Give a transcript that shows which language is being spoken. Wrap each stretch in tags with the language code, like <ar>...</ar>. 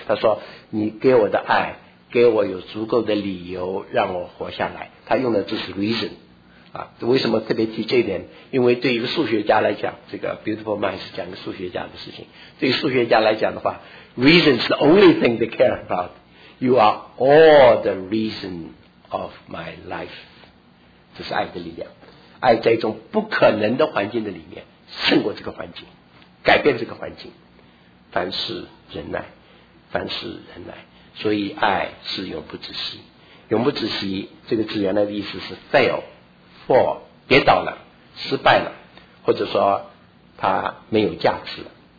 <zh>他说你给我的爱给我有足够的理由让我活下来。他用的就是 reason。啊，为什么特别提这一点？因为对一个数学家来讲，这个 beautiful mind 是讲个数学家的事情。对数学家来讲的话，</zh> <en>reason is the only thing they care about. You are all the reason of my life.</en> <zh>这是爱的力量。爱在一种不可能的环境的里面胜过这个环境，改变这个环境。凡事忍耐，凡事忍耐，所以爱是永不止息。永不止息这个字原来的意思是</zh> <en>fail， fall，</en> <zh>跌倒了，失败了，或者说它没有价值了。</zh>